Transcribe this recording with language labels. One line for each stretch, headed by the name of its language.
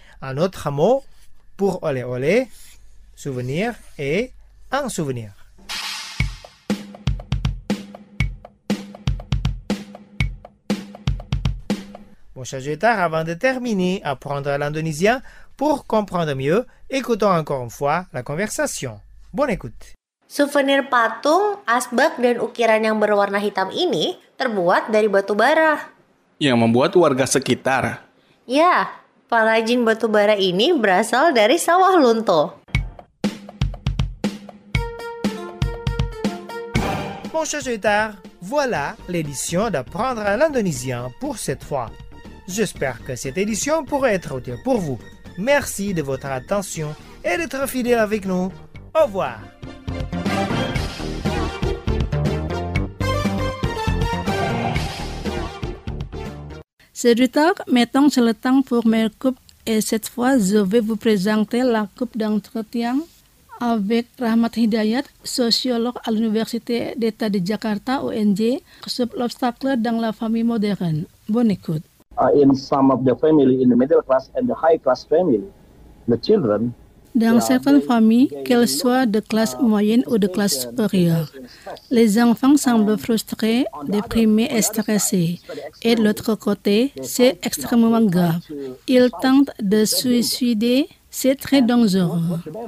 French: Un autre mot pour oleh-oleh, souvenir, est un souvenir. Bon, chers auditeurs, avant de terminer, apprendre l'indonésien pour comprendre mieux, écoutons encore une fois la conversation. Bonne écoute.
Indonesian: Souvenir patung, asbak, dan ukiran yang berwarna hitam ini terbuat dari batu bara. Yang membuat warga sekitar. Ya, pengrajin batu bara ini berasal dari sawah lunto.
French: Mon cher auditeur, voilà l'édition d'apprendre l'indonésien pour cette fois. J'espère que cette édition pourra être utile pour vous. Merci de votre attention et d'être fidèle avec nous. Au revoir. C'est du temps, maintenant c'est le temps pour mes coupes et cette fois je vais vous présenter la coupe d'entretien avec Rahmat Hidayat, sociologue à l'Université d'État de Jakarta, UNJ, sur l'obstacle dans la famille moderne. Bonne écoute.
English: In some of the family, in the middle class and the high class family, the children...
French: Dans certaines familles, qu'elles soient de classe moyenne ou de classe supérieure, les enfants semblent frustrés, déprimés et stressés. Et de l'autre côté, c'est extrêmement grave. Ils tentent de se suicider, c'est très dangereux.